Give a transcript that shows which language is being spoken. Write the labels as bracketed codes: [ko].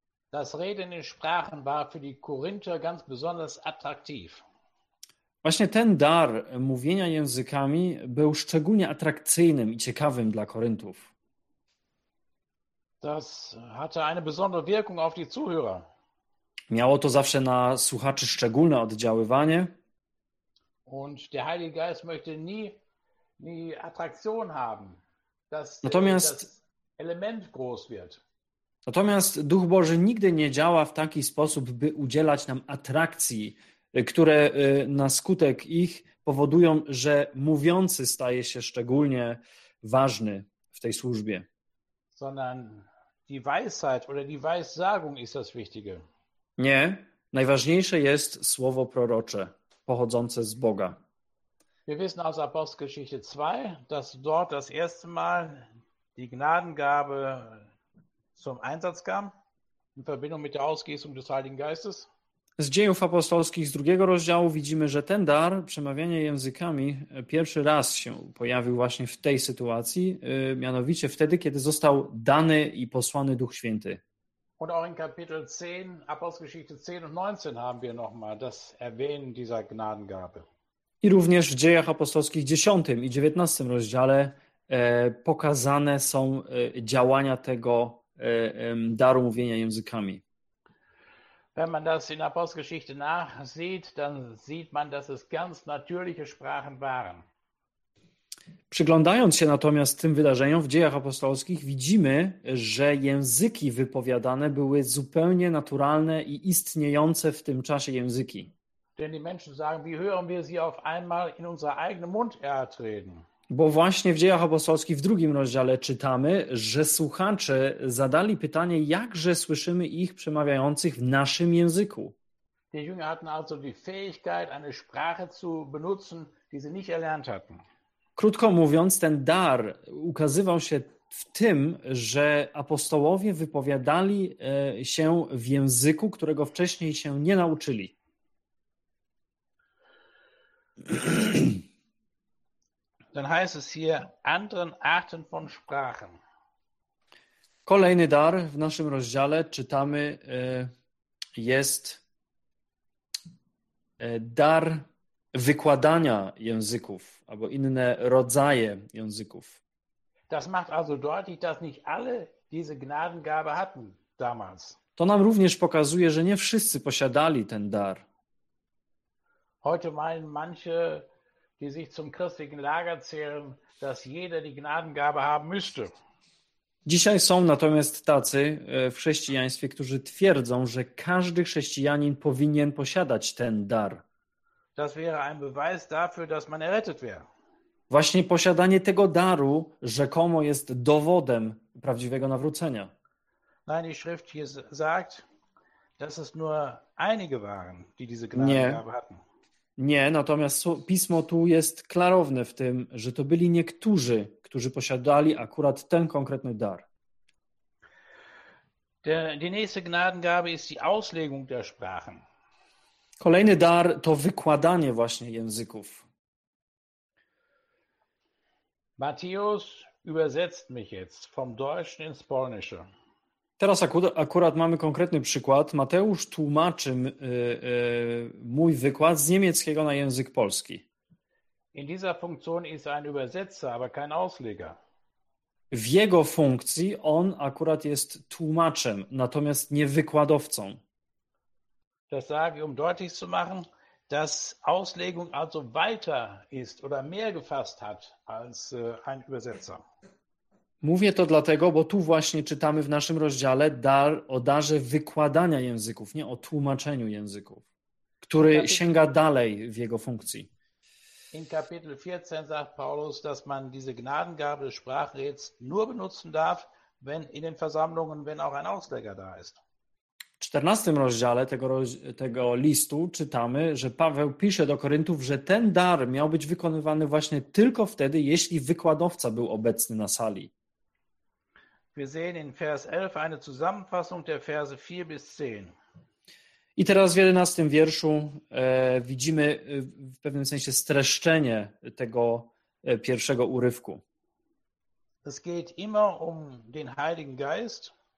[de] Das Reden in Sprachen war für die Korinther ganz besonders attraktiv. [pl] Właśnie ten dar mówienia językami był szczególnie atrakcyjnym i ciekawym dla Koryntów. [de] Das hatte eine besondere Wirkung auf die Zuhörer. [pl] Miało to zawsze na słuchaczy szczególne oddziaływanie. [de] Und der Heilige Geist möchte nie Attraktion haben, dass [pl] natomiast, [de] das Element groß wird. [pl] Natomiast Duch Boży nigdy nie działa w taki sposób, by udzielać nam atrakcji, które na skutek ich powodują, że mówiący staje się szczególnie ważny w tej służbie. [de] Sondern die Weisheit oder die Weissagung ist das Wichtige. [pl] Nie, najważniejsze jest słowo prorocze, pochodzące z Boga. [de] Wir wissen aus Apostelgeschichte 2, dass dort das erste Mal die Gnadengabe zum Einsatz kam, in Verbindung mit der Ausgießung des Heiligen Geistes. [pl] Z Dziejów Apostolskich z drugiego rozdziału widzimy, że ten dar przemawiania językami pierwszy raz się pojawił właśnie w tej sytuacji, mianowicie wtedy, kiedy został dany i posłany Duch Święty. [de] Und auch in Kapitel 10, Apostelgeschichte 10 und 19 haben wir nochmal das Erwähnen dieser Gnadengabe. [pl] I również w Dziejach Apostolskich 10 i 19 rozdziale pokazane są działania tego daru mówienia językami. [de] Wenn man das in Apostelgeschichte nachsieht, dann sieht man, dass es ganz natürliche Sprachen waren. [pl] Przyglądając się natomiast tym wydarzeniom w Dziejach Apostolskich, widzimy, że języki wypowiadane były zupełnie naturalne i istniejące w tym czasie języki. [de] Denn die Menschen sagen, wie hören wir sie auf einmal in unser eigenen Mund erreden? [pl] Bo właśnie w Dziejach Apostolskich w drugim rozdziale czytamy, że słuchacze zadali pytanie, jakże słyszymy ich przemawiających w naszym języku. [de] Die Jünger hatten also die Fähigkeit, eine Sprache zu benutzen, die sie nicht erlernt hatten. [pl] Krótko mówiąc, ten dar ukazywał się w tym, że apostołowie wypowiadali się w języku, którego wcześniej się nie nauczyli. [de] Dann heißt es hier anderen Arten von Sprachen. [pl] Kolejny dar w naszym rozdziale czytamy jest dar wykładania języków albo inne rodzaje języków. [de] Das macht also deutlich, dass nicht alle diese Gnadengabe hatten damals. [pl] To nam również pokazuje, że nie wszyscy posiadali ten dar. [de] Heute meinen manche, die sich zum christlichen Lager zählen, dass jeder die Gnadengabe haben müsste. [pl] Dzisiaj są natomiast tacy w chrześcijaństwie, którzy twierdzą, że każdy chrześcijanin powinien posiadać ten dar. [de] Das wäre ein Beweis dafür, dass man errettet wäre. [pl] Właśnie posiadanie tego daru rzekomo jest dowodem prawdziwego nawrócenia. [de] Nein, die Schrift hier sagt, dass es nur einige waren, die diese Gnadengabe hatten. [pl] Nie, natomiast Pismo tu jest klarowne w tym, że to byli niektórzy, którzy posiadali akurat ten konkretny dar. [de] Die nächste Gnadengabe ist die Auslegung der Sprachen. [pl] Kolejny dar to wykładanie właśnie języków. [de] Matthäus übersetzt mich jetzt vom Deutschen ins Polnische. [pl] Teraz akurat mamy konkretny przykład. Mateusz tłumaczy mój wykład z niemieckiego na język polski. [de] In dieser Funktion ist ein Übersetzer, aber kein Ausleger. [pl] W jego funkcji on akurat jest tłumaczem, natomiast nie wykładowcą. [de] Das sage ich, um deutlich zu machen, dass Auslegung also weiter ist oder mehr gefasst hat als ein Übersetzer. [pl] Mówię to dlatego, bo tu właśnie czytamy w naszym rozdziale dar o darze wykładania języków, nie o tłumaczeniu języków, który sięga dalej w jego funkcji. [de] In Kapitel 14 sagt Paulus, dass man diese Gnadengabe des Sprachenreds nur benutzen darf, wenn in den Versammlungen, wenn auch ein Ausleger da ist. [pl] W 14 rozdziale tego listu czytamy, że Paweł pisze do Koryntów, że ten dar miał być wykonywany właśnie tylko wtedy, jeśli wykładowca był obecny na sali. [de] Wir sehen in Vers 11 eine Zusammenfassung der Verse 4 bis 10. [pl] I teraz w 11 wierszu widzimy w pewnym sensie streszczenie tego pierwszego urywku. [de] Es geht immer um den Heiligen Geist.